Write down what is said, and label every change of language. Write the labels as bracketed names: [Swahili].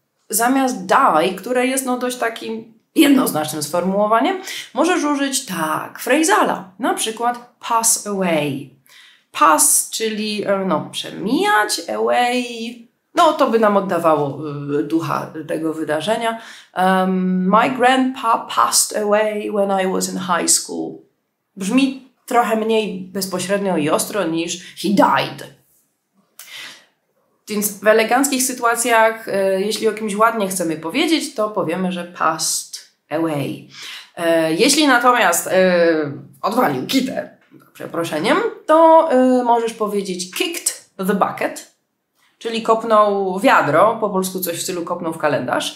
[Polish] Zamiast die, które jest no dość takim jednoznacznym sformułowaniem, możesz użyć tak, phrasala, na przykład pass away. Pass, czyli no, przemijać, away, no to by nam oddawało ducha tego wydarzenia. [English] My grandpa passed away when I was in high school. [Polish] Brzmi trochę mniej bezpośrednio i ostro niż [English] he died. [Polish] Więc w eleganckich sytuacjach, jeśli o kimś ładnie chcemy powiedzieć, to powiemy, że passed away. Jeśli natomiast odwalił kitę, przeproszeniem, to możesz powiedzieć [English] kicked the bucket, [Polish] czyli kopnął wiadro, po polsku coś w stylu kopnął w kalendarz.